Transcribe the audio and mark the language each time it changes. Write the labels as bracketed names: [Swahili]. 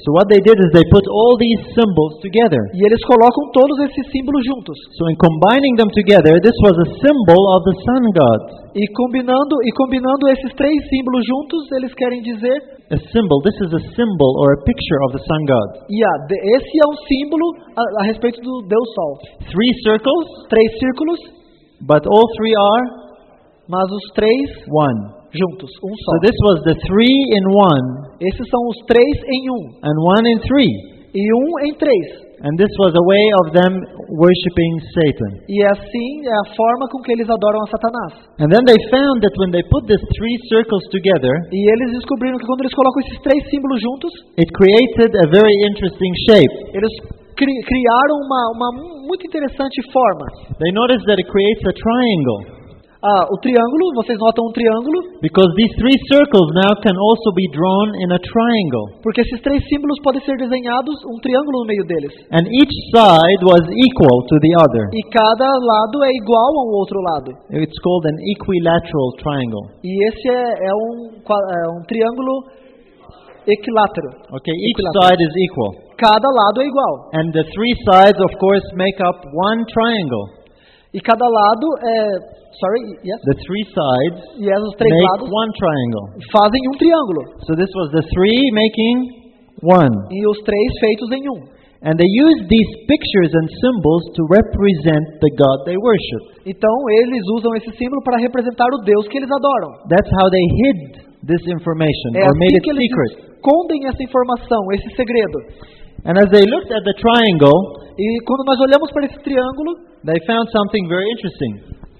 [English] So what they did is they put all these symbols together. [Portuguese] E eles colocam todos esses símbolos juntos. [English] So in combining them together, this was a symbol of the sun god. [Portuguese] E combinando esses três símbolos juntos, eles querem dizer [English] a symbol. This is a symbol or a picture of the sun god. [Portuguese] Esse é um símbolo a respeito do deus sol. [English] Three circles, [Portuguese] três círculos, [English] but all three are, [Portuguese] mas os três [English] one. [Portuguese] Juntos, um só. [English] So this was the three in one. [Portuguese] Esses são os três em um. [English] And one in three. [Portuguese] E um em três. [English] And this was a way of them worshiping Satan. [Portuguese] E assim é a forma com que eles adoram a Satanás. [English] And then they found that when they put these three circles together, [Portuguese] e eles descobriram que quando eles colocam esses três símbolos juntos, [English] it created a very interesting shape. [Portuguese] Eles criaram uma muito interessante forma. [English] They noticed that it creates a triangle. [Portuguese] o triângulo, vocês notam um triângulo? [English] Because these three circles now can also be drawn in a triangle. [Portuguese] Porque esses três símbolos podem ser desenhados um triângulo no meio deles. [English] And each side was equal to the other. [Portuguese] E cada lado é igual ao outro lado. [English] It's called an equilateral triangle. [Portuguese] E esse é um triângulo equilátero. [English] Okay, each side is equal. [Portuguese] Cada lado é igual. [English] And the three sides, of course, make up one triangle. [Portuguese] E cada lado é, [English] sorry, yes. The three sides [Portuguese] yes, os três [English] make [Portuguese] lados [English] one triangle. [Portuguese] Fazem um triângulo. [English] So this was the three making one. [Portuguese] E os três feitos em um. [English] And they used these pictures and symbols to represent the God they worship. [Portuguese] Então eles usam esse símbolo para representar o Deus que eles adoram. [English] That's how they hid this information [Portuguese] é [English] or [Portuguese] assim [English] made it secret. [Portuguese] Escondem essa informação, esse segredo. [English] And as they looked at the triangle, [Portuguese] e quando nós olhamos para esse triângulo, [English] they found something very interesting.